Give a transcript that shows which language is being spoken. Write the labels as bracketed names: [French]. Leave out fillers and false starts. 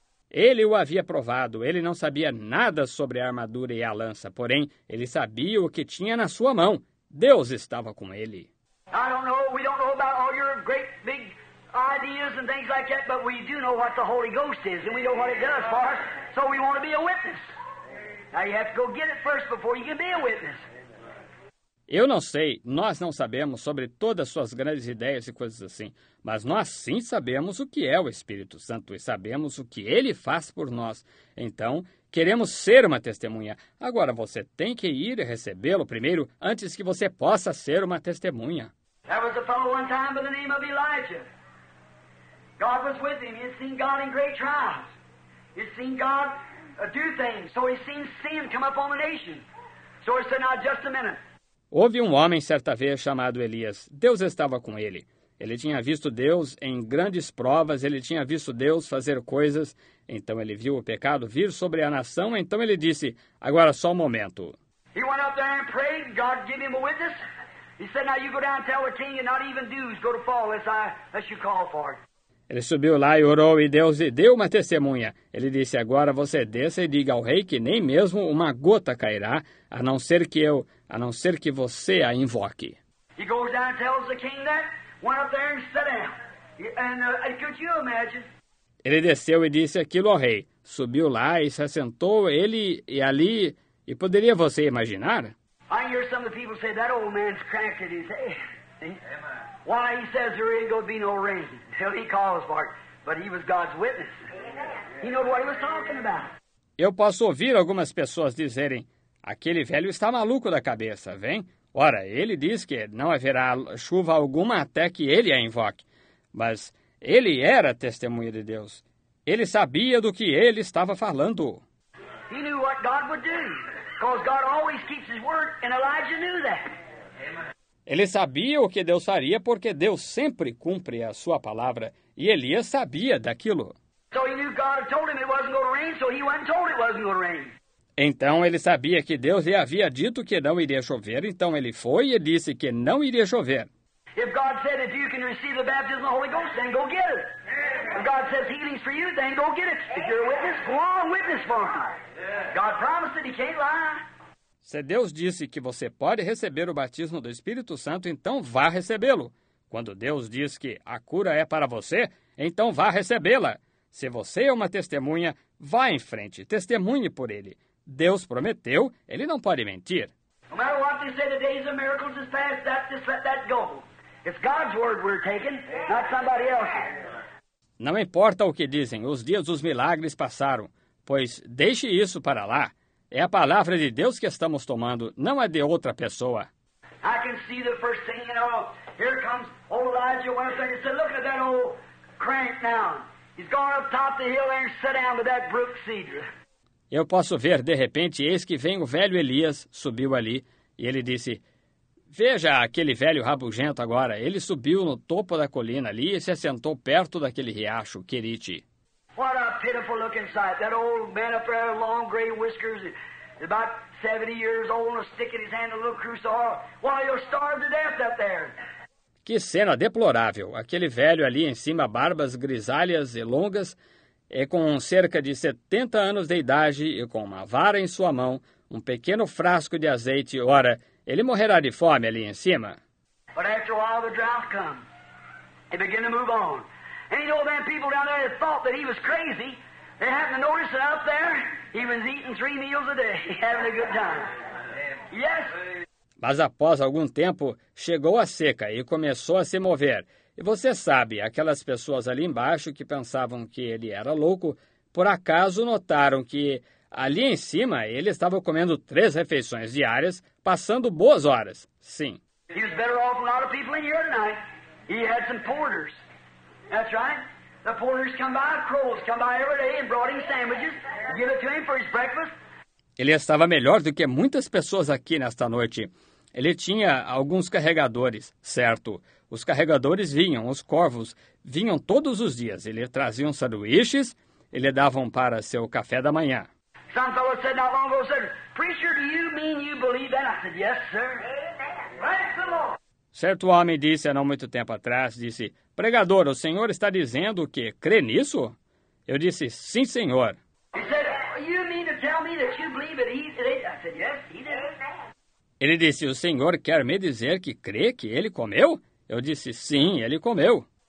[Portuguese] Ele o havia provado. Ele não sabia nada sobre a armadura e a lança. Porém, ele sabia o que tinha na sua mão. Deus estava com ele. [English] I don't know. We don't know about all your great big ideas and things like that, but we do know what the Holy Ghost is, and we know what it does for us. So we want to be a witness. Now you have to go get it first before you can be a witness. [Portuguese] Eu não sei, nós não sabemos sobre todas as suas grandes ideias e coisas assim, mas nós sim sabemos o que é o Espírito Santo e sabemos o que ele faz por nós. Então, queremos ser uma testemunha. Agora você tem que ir e recebê-lo primeiro antes que você possa ser uma testemunha. [English] There was a fellow one time by the name of Elijah. God was with him. He had seen God in great trials. He had seen God do things. So he seen sin come up on the nation. So he said, now just a minute. [Portuguese] Houve um homem certa vez chamado Elias. Deus estava com ele. Ele tinha visto Deus em grandes provas. Ele tinha visto Deus fazer coisas. Então ele viu o pecado vir sobre a nação. Então ele disse, agora só um momento. [English] He went up there and prayed. God gave him a witness. He said, now you go down and tell the king and not even dews go to fall unless you call for it. [Portuguese] Ele subiu lá e orou e Deus lhe deu uma testemunha. Ele disse, agora você desça e diga ao rei que nem mesmo uma gota cairá, a não ser que eu, a não ser que você a invoque. [English] He goes down and tells the king that, went up there and sat down. And could you imagine? [Portuguese] Ele desceu e disse aquilo ao rei. Subiu lá e se assentou ele e ali. E poderia você imaginar? [English] I hear some of the people say that old man's cracked his head. Why, he says there ain't gonna be no rain till he calls for it. But he was God's witness. He knew what he was talking about. [Portuguese] Eu posso ouvir algumas pessoas dizerem: aquele velho está maluco da cabeça, vem? Ora, ele diz que não haverá chuva alguma até que ele a invoque. Mas ele era testemunha de Deus. Ele sabia do que ele estava falando. [English] He knew what God would do, because God always keeps his word, and Elijah knew that. [Portuguese] Ele sabia o que Deus faria, porque Deus sempre cumpre a sua palavra, e Elias sabia daquilo. [English] So he knew God had told him it wasn't going to rain, so he went and told it wasn't going to rain. [Portuguese] Então ele sabia que Deus lhe havia dito que não iria chover, então ele foi e disse que não iria chover. [English] If God said if you can receive the baptism of the Holy Ghost, then go get it. If God says healing's for you, then go get it. If you're a witness, go on, witness for him. God promised it, he can't lie. [Portuguese] Se Deus disse que você pode receber o batismo do Espírito Santo, então vá recebê-lo. Quando Deus diz que a cura é para você, então vá recebê-la. Se você é uma testemunha, vá em frente, testemunhe por ele. Deus prometeu, ele não pode mentir. [English] No matter what they say, the days of miracles is past, that, just let that go. It's God's word we're taking, not somebody else's. [Portuguese] Não importa o que dizem, os dias dos milagres passaram, pois deixe isso para lá. É a palavra de Deus que estamos tomando, não a de outra pessoa. [English] I can see the first thing, you know, here comes old Elijah one thing. He said, look at that old crank now. He's gone up top the hill and sat down with that brook cedar. [Portuguese] Eu posso ver, de repente, eis que vem o velho Elias, subiu ali, e ele disse, veja aquele velho rabugento agora, ele subiu no topo da colina ali e se assentou perto daquele riacho, Querite. [English] What a pitiful looking sight, that old man up there, long gray whiskers, about 70 years old, and a stick in his hand, a little crucifix, while you're starved to death up there. [Portuguese] Que cena deplorável, aquele velho ali em cima, barbas grisalhas e longas, é com cerca de 70 anos de idade e com uma vara em sua mão, um pequeno frasco de azeite. Ora, ele morrerá de fome ali em cima. [English] But after a while the drought come. He began to move on. And you know that people down there thought that he was crazy. They happened to notice that up there he was eating 3 meals a day, having a good time. Yes. [Portuguese] Mas após algum tempo, chegou a seca e começou a se mover. E você sabe, aquelas pessoas ali embaixo que pensavam que ele era louco, por acaso notaram que ali em cima ele estava comendo 3 refeições diárias, passando boas horas. Sim. [English] He was better off than a lot of people in here tonight. He had some porters. That's right. The porters come by, crows come by every day and brought him sandwiches. Give it to him for his breakfast. [Portuguese] Ele estava melhor do que muitas pessoas aqui nesta noite. Ele tinha alguns carregadores, certo? Os carregadores vinham, os corvos vinham todos os dias. Ele trazia sanduíches e lhe davam para seu café da manhã. [English] Some fellow said not long ago, said, preacher, do you mean you believe that? I said, yes, sir. Amen. Praise the Lord. [Portuguese] Certo homem disse há não muito tempo atrás, disse, pregador, o senhor está dizendo que crê nisso? Eu disse, sim, senhor. [English] He said, you mean to tell me that you believe it? I said, yes, he did. [Portuguese] Ele disse, o senhor quer me dizer que crê que ele comeu? Eu disse, sim, ele comeu.